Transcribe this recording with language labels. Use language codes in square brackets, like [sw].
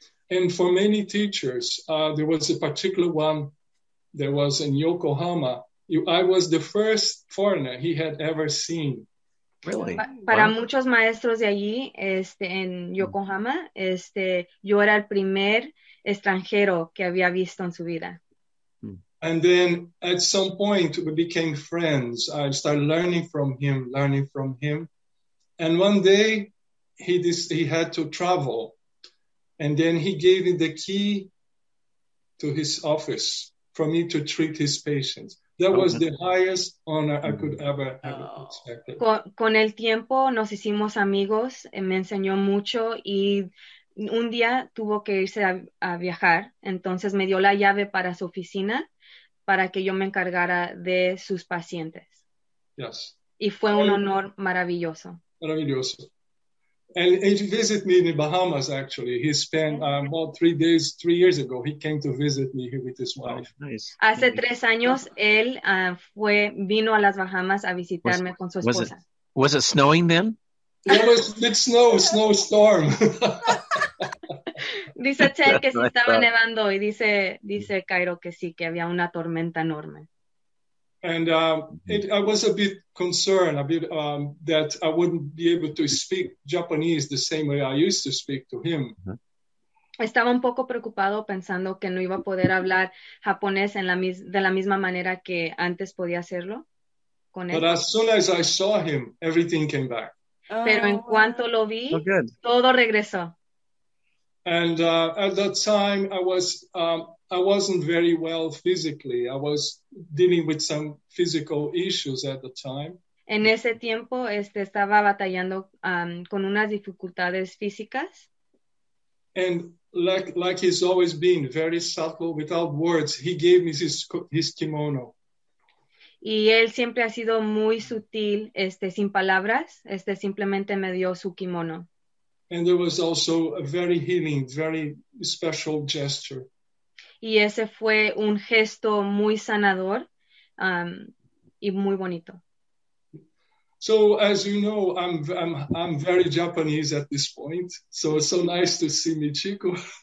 [en] And for many teachers, there was a particular one that was in Yokohama. I was the first foreigner he had ever seen. Really? [es] Para wow. Muchos maestros de allí, en Yokohama, yo era el primer extranjero que había visto en su vida. [en] And then at some point we became friends. I started learning from him. And one day he had to travel. And then he gave me the key to his office for me to treat his patients. That was the highest honor I could ever have expected. [es] Con el tiempo nos hicimos amigos, me enseñó mucho y un día tuvo que irse a viajar, entonces me dio la llave para su oficina para que yo me encargara de sus pacientes. [en] Yes. [es] Y fue un honor maravilloso. Maravilloso. [en] And he visited me in the Bahamas, actually. He spent about 3 days, 3 years ago, he came to visit me here with his wife. Nice. [es] Hace 3 años, él vino a las Bahamas a visitarme con su esposa. [en] Was it snowing then? It was mid snowstorm. [es] Dice Ted que se estaba nevando y dice Cairo que sí, que había una tormenta enorme. [en] And I was a bit concerned, that I wouldn't be able to speak Japanese the same way I used to speak to him. [es] Estaba un poco preocupado pensando que no iba a poder hablar japonés de la misma manera que antes podía hacerlo con él. [en] But as soon as I saw him, everything came back. [es] Pero en cuanto lo vi, todo regresó. [en] And at that time, I wasn't very well physically. I was dealing with some physical issues at the time. [es] En ese tiempo, estaba batallando con unas dificultades físicas. [en] And like he's always been, very subtle, without words, he gave me his kimono. [es] Y él siempre ha sido muy sutil, sin palabras, simplemente me dio su kimono. [en] And there was also a very healing, very special gesture. [es] Y ese fue un gesto muy sanador y muy bonito. [en] So, as you know, I'm very Japanese at this point. So it's so nice to see Michiko.